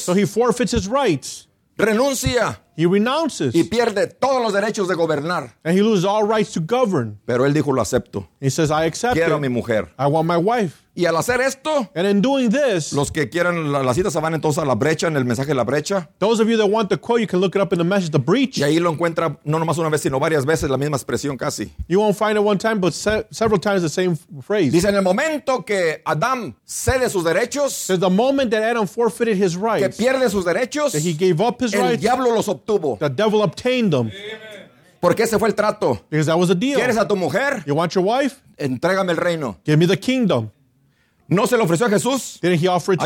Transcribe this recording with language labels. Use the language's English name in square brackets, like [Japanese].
[English] So he forfeits his rights. [Spanish] Renuncia. [English] He renounces. [Spanish] Y pierde todos los derechos de gobernar. [English] And he loses all rights to govern. [Spanish] Pero él dijo, lo acepto. [English] He says, I accept [Spanish] Quiero [English] it. [Spanish] Quiero mi mujer. [English] I want my wife. [Spanish] Y al hacer esto, [English] and in doing this, [Spanish] los que quieran la cita se van entonces a la brecha, en el mensaje de la brecha. [English] Those of you that want the quote, you can look it up in the message, the breach. [Spanish] Y ahí lo encuentra no nomás una vez, sino varias veces, la misma expresión casi. [English] You won't find it one time, but several times the same phrase. [Spanish] Dice, en el momento que Adam cede sus derechos, [English] so the moment that Adam forfeited his rights, [Spanish] que pierde sus derechos, [English] that he gave up his [Spanish] el [English] rights, [Spanish] diablo los obtuvo. [English] The devil obtained them. [Spanish] Porque ese fue el trato. [English] Because that was the deal. [Spanish] ¿Quieres a tu mujer? [English] You want your wife? [Spanish] Entrégame el reino. [English] Give me the kingdom. [Spanish] ¿No se lo ofreció a Jesús? [English] Didn't he offer it to